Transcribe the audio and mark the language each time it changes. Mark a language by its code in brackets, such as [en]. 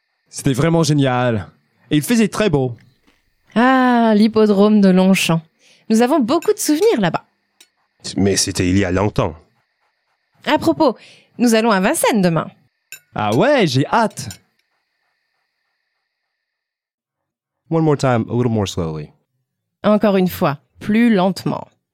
[fr] C'était vraiment génial. Et il faisait très beau. Ah, l'hippodrome de Longchamp. Nous avons beaucoup de souvenirs là-bas. Mais c'était il y a longtemps. À propos, nous allons à Vincennes demain. Ah ouais, j'ai hâte. [en] One more time, a little more slowly. [fr] Encore une fois, plus lentement.